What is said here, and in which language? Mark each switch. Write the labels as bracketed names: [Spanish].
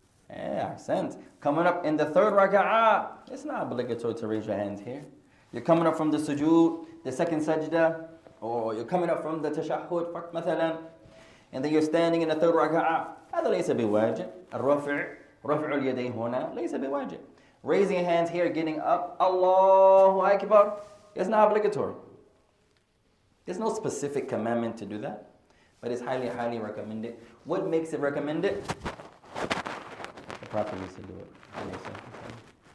[English] Yeah, sense. Coming up in the third raka'ah, it's not obligatory to raise your hands here. You're coming up from the sujood, the second sajda, or you're coming up from the tashahud, for example, and then you're standing in the third raka'ah. [Arabic] هذا ليس بواجب. الرفع اليدين هنا ليس بواجب. [English] Raising your hands here, getting up, Allahu Akbar. It's not obligatory. There's no specific commandment to do that, but it's highly, highly recommended. What makes it recommended? The Prophet used to do it.